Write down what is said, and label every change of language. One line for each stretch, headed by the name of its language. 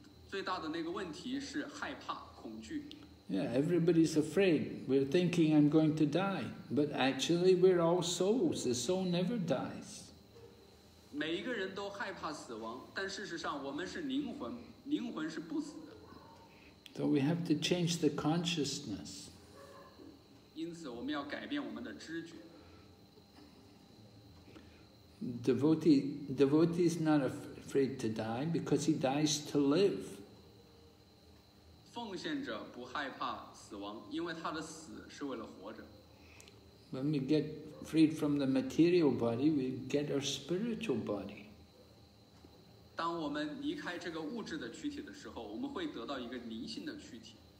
Chinese: 最大的那个问题是害怕恐惧。
English: Yeah, everybody's afraid. We're thinking I'm going to die, but actually we're all souls. The soul never dies.
Chinese: 每一个人都害怕死亡，但事实上我们是灵魂，灵魂是不死的。
English: So we have to change the consciousness.
Chinese: 因此我们要改变我们的知觉。
English: Devotee is not afraid to die because he dies to live.
Chinese: 奉献者不害怕死亡，因为他的死是为了活着。
English: When we get freed from the material body, we get our spiritual body.
Chinese: 当我们离开这个物质的躯体的时候，我们会得到一个灵性的躯体。